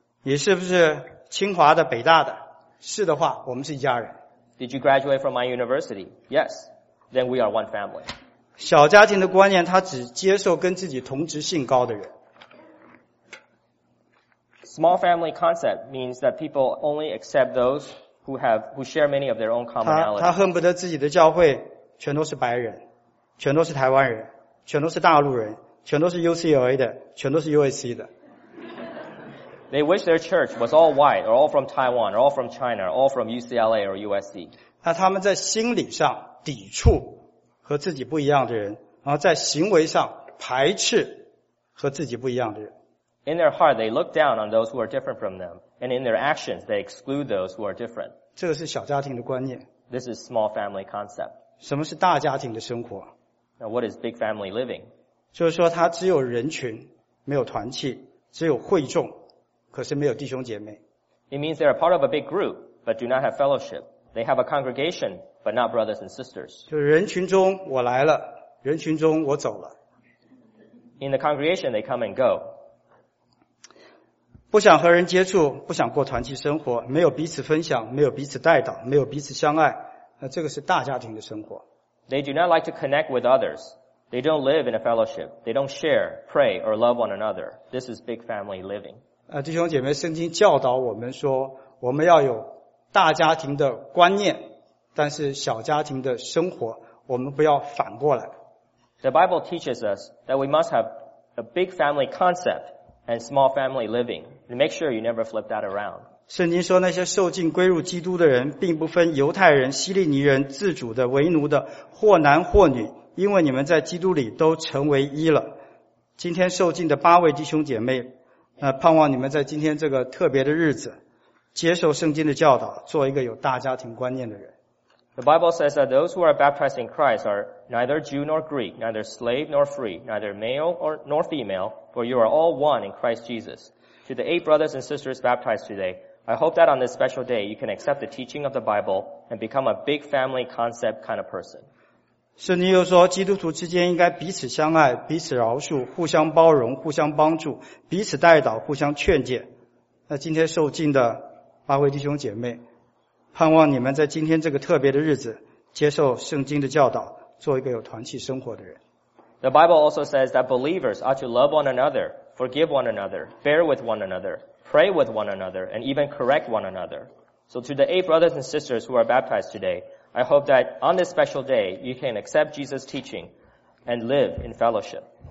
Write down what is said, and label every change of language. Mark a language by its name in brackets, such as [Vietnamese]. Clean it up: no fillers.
[Chinese] 你是不是清华的、北大的？是的话，我们是一家人。 [English] Did you graduate from my university? Yes, then we are one family. [Chinese] 小家庭的观念，他只接受跟自己同质性高的人。 [English] Small family concept means that people only accept those who share many of their own commonalities. [Chinese] 他恨不得自己的教会全都是白人，全都是台湾人，全都是大陆人，全都是 UCLA 的，全都是 USC 的。 [English] They wish their church was all white, or all from Taiwan, or all from China, or all from UCLA or USC. [Chinese] 那他们在心理上抵触和自己不一样的人，然后在行为上排斥和自己不一样的人。 [English] In their heart, they look down on those who are different from them, and in their actions, they exclude those who are different. [Chinese] 这个是小家庭的观念。 [English] This is small family concept. [Chinese] 什么是大家庭的生活？ [English] Now, what is big family living? [Chinese] 就是说他只有人群，没有团契，只有会众，可是没有弟兄姐妹。 [English] It means they are part of a big group, but do not have fellowship. They have a congregation, but not brothers and sisters. [Chinese] 就人群中我来了，人群中我走了。 [English] In the congregation, they come and go. [Chinese] 不想和人接触，不想过团契生活，没有彼此分享，没有彼此带导，没有彼此相爱，那这个是大家庭的生活。 [English] They do not like to connect with others. They don't live in a fellowship. They don't share, pray, or love one another. This is big family living. [Chinese] 弟兄姐妹，圣经教导我们说，我们要有大家庭的观念，但是小家庭的生活，我们不要反过来。 [English] The Bible teaches us that we must have a big family concept and small family living. And make sure you never flip that around. [Chinese] 圣经说那些受浸归入基督的人并不分犹太人、希利尼人、自主的、为奴的，或男或女，因为你们在基督里都成为一了。今天受浸的八位弟兄姐妹，盼望你们在今天这个特别的日子接受圣经的教导，做一个有大家庭观念的人。 [English] The Bible says that those who are baptized in Christ are neither Jew nor Greek, neither slave nor free, neither male nor female, for you are all one in Christ Jesus. To the eight brothers and sisters baptized todayI hope that on this special day, you can accept the teaching of the Bible and become a big family concept kind of person. [Chinese] 圣经又说基督徒之间应该彼此相爱，彼此饶恕，互相包容，互相帮助，彼此带导，互相劝诫。那今天受浸的八位弟兄姐妹，盼望你们在今天这个特别的日子接受圣经的教导，做一个有团契生活的人。 [English] The Bible also says that believers are to love one another, forgive one another, bear with one another, pray with one another, and even correct one another. So to the 8 brothers and sisters who are baptized today, I hope that on this special day, you can accept Jesus' teaching and live in fellowship.